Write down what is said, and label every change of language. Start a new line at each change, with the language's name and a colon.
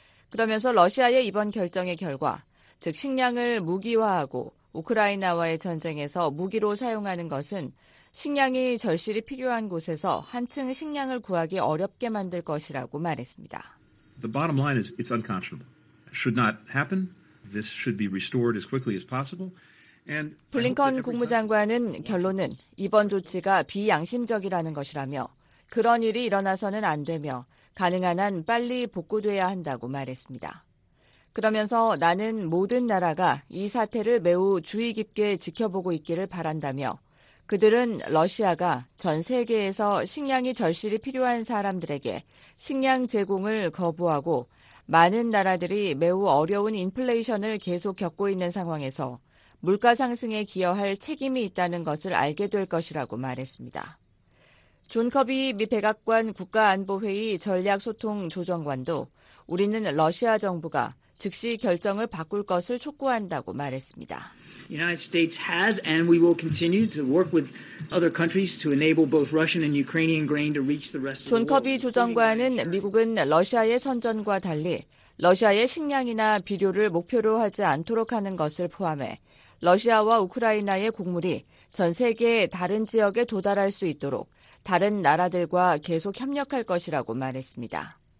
Korean: 그러면서 러시아의 이번 결정의 결과, 즉 식량을 무기화하고 우크라이나와의 전쟁에서 무기로 사용하는 것은 식량이 절실히 필요한 곳에서 한층 식량을 구하기 어렵게 만들 것이라고 말했습니다.
English: The bottom line is it's unconscionable. Should not happen. This should be restored as quickly as possible.
Korean: 블링컨 국무장관은 결론은 이번 조치가 비양심적이라는 것이라며 그런 일이 일어나서는 안 되며 가능한 한 빨리 복구돼야 한다고 말했습니다. 그러면서 나는 모든 나라가 이 사태를 매우 주의 깊게 지켜보고 있기를 바란다며 그들은 러시아가 전 세계에서 식량이 절실히 필요한 사람들에게 식량 제공을 거부하고 많은 나라들이 매우 어려운 인플레이션을 계속 겪고 있는 상황에서 물가 상승에 기여할 책임이 있다는 것을 알게 될 것이라고 말했습니다. 존 커비 미 백악관 국가안보회의 전략소통조정관도 우리는 러시아 정부가 즉시 결정을 바꿀 것을 촉구한다고 말했습니다.
English: United States has and we will continue to work with other countries to enable both Russian and Ukrainian grain to reach the rest of the world.
Korean: 존 커비 조정관은 미국은 러시아의 선전과 달리 러시아의 식량이나 비료를 목표로 하지 않도록 하는 것을 포함해 러시아와 우크라이나의 곡물이 전 세계의 다른 지역에 도달할 수 있도록 다른 나라들과 계속 협력할 것이라고 말했습니다.